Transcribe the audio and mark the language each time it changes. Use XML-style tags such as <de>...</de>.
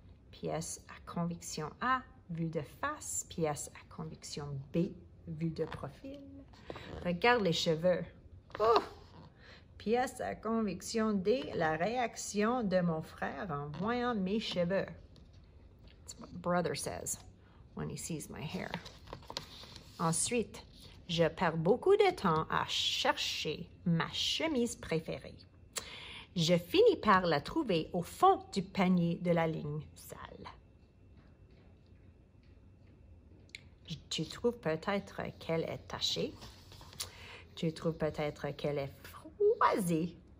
<fr>Pièce à conviction A, vue de face. Pièce à conviction B, vue de profil. Regarde les cheveux. Ouh! Pièce à conviction D, la réaction de mon frère en voyant mes cheveux.</fr> <en>That's what brother says when he sees my hair.</en> <fr>Ensuite, je perds beaucoup de temps à chercher ma chemise préférée. Je finis par la trouver au fond du panier de la ligne sale. Tu trouves peut-être qu'elle est tachée. Tu trouves peut-être qu'elle est vas-y.</fr>